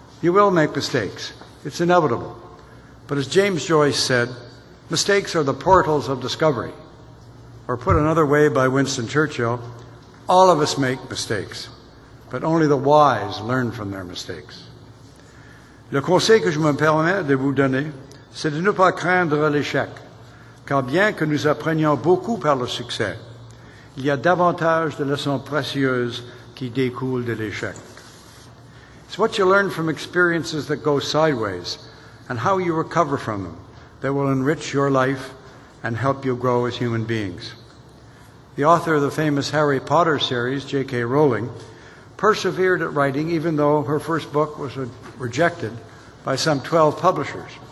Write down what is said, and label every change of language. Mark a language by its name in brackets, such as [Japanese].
[English] You will make mistakes. It's inevitable. But as James Joyce said, mistakes are the portals of discovery. Or put another way by Winston Churchill, all of us make mistakes, but only the wise learn from their mistakes. [French] Le conseil que je me permets de vous donner, c'est de ne pas craindre l'échec, car bien que nous apprenions beaucoup par le succès, il y a davantage de leçons précieuses qui découlent de l'échec. [English] It's what you learn from experiences that go sideways and how you recover from them that will enrich your life and help you grow as human beings. The author of the famous Harry Potter series, J.K. Rowling, persevered at writing even though her first book was rejected by some 12 publishers.